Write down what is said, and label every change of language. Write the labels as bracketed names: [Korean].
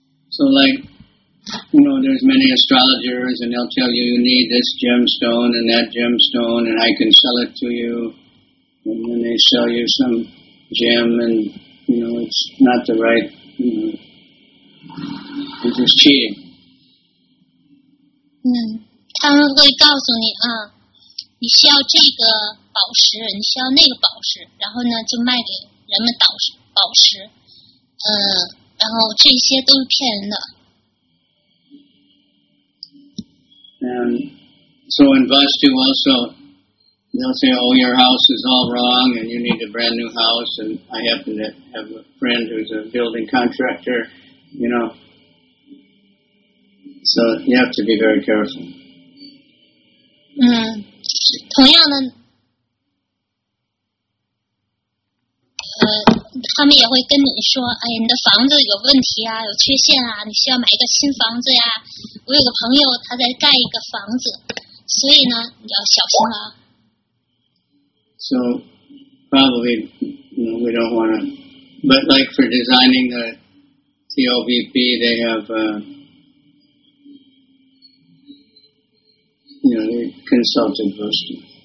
[English] So like, you know, there's many astrologers, and they'll tell you you need this gemstone and that gemstone, and I can sell it to you. And then they sell you some gem, and, you know, it's not the right, you know, it's just cheating. [Chinese] 他们会告诉你啊，你需要这个宝石，你需要那个宝石，然后呢，就卖给人们宝石，然后这些都是骗人的。 [English] And so in Vastu also, they'll say, oh, your house is all wrong and you need a brand new house. And I happen to have a friend who's a building contractor, you know. So you have to be very careful. [Chinese] 同样的，他们也会跟你说，哎，你的房子有问题啊，有缺陷啊，你需要买一个新房子呀。我有个朋友，他在盖一个房子，所以呢，你要小心了。 [English] So probably, you know, we don't want to, but like for designing the TOVP, they have, you know, they consulted Vastu.